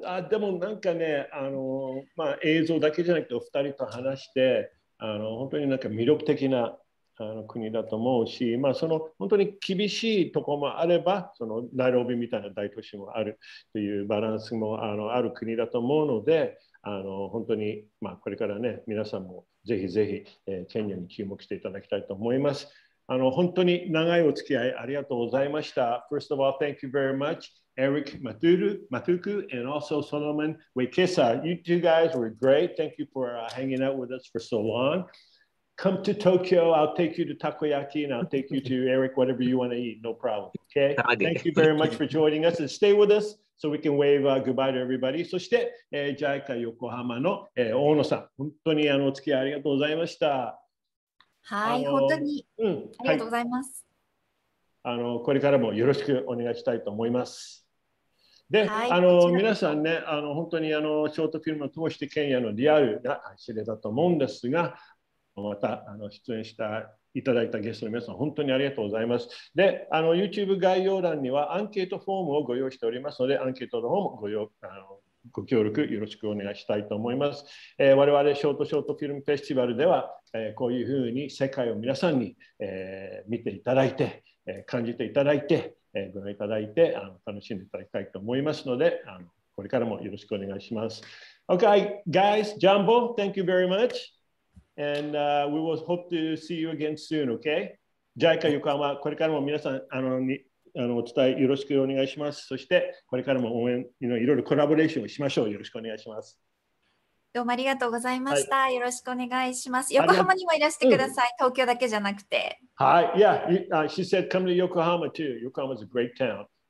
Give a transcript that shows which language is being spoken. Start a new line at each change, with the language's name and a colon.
Japanese: あ、でもなんかね、まあ、映像だけじゃなくてお二人と話して、本当になんか魅力的な国だと思うし、まあ、その本当に厳しいところもあれば、そのナイロビみたいな大都市もあるというバランスも ある国だと思うので、本当に、まあ、これからね、皆さんもぜひぜひ、ケニアに注目していただきたいと思います。本当に長いお付き合いありがとうございました。
English: First of all, thank you very much, Eric Matuku, and also Solomon Wekesa. You two guys were great. Thank you for hanging out with us for so long. Come to Tokyo, I'll take you to takoyaki, and I'll take you to Eric, whatever you want to eat, no problem. Okay? Thank you very much for joining us, and stay with us so we can wave goodbye to everybody.
Japanese: そして、JICA 横浜の、大野さん、本当にお付き合いありがとうございました。はい、本当に、うん、ありがとうございます、はい。これからもよろしくお願いしたいと思います。で、はい、皆さんね、本当にショートフィルムを通してケニアのリアルな知れだと思うんですが、また出演していただいたゲストの皆さん、本当にありがとうございます。で、YouTube 概要欄にはアンケートフォームをご用意しておりますので、アンケートの方もご協力よろしくお願いしたいと思います。我々ショートショートフィルムフェスティバルでは、こういうふうに世界を皆さんに、見ていただいて、感じていただいて、ご覧いただいて楽しんでいただきたいと思いますので、これからもよろしくお願いします。
English: Okay, guys, Jumbo, thank you very much. And、we will hope to see you again soon, okay?
Japanese: JICA 横浜、これからも皆さん、お伝えよろしくお願いします。そしてこれからも応援のいろいろコラボレーションをしましょう。よろしくお願いします。どうもありがとうございました。はい、よろしくお願いします。横浜にもいらしてください。東京だけじゃなくて。はい。いや、
English: she said come to Yokohama too. Yokohama is a great town.